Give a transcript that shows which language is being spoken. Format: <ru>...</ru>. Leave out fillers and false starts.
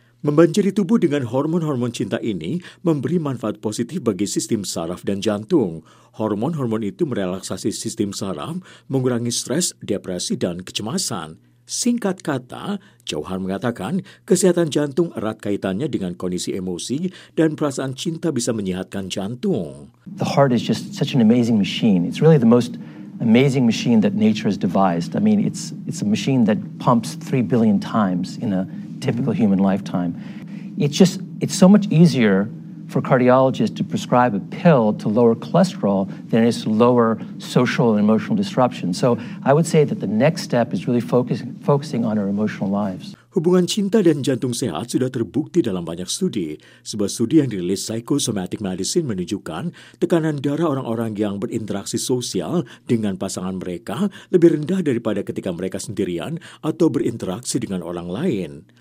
<id>Membanjiri tubuh dengan hormon-hormon cinta ini memberi manfaat positif bagi sistem saraf dan jantung. Hormon-hormon itu merelaksasi sistem saraf, mengurangi stres, depresi, dan kecemasan. Singkat kata, Johar mengatakan kesehatan jantung erat kaitannya dengan kondisi emosi dan perasaan cinta bisa menyehatkan jantung.</id> <en>The heart is just such an amazing machine. It's really the most amazing machine that nature has devised. I mean, it's a machine that pumps 3 billion times in a typical human lifetime. It's so much easier for cardiologists to prescribe a pill to lower cholesterol than it is to lower social and emotional disruption. So I would say that the next step is really focusing on our emotional lives.</en> <id>Hubungan cinta dan jantung sehat sudah terbukti dalam banyak studi. Sebuah studi yang dirilis Psychosomatic Medicine menunjukkan tekanan darah orang-orang yang berinteraksi sosial dengan pasangan mereka lebih rendah daripada ketika mereka sendirian atau berinteraksi dengan orang lain.</id>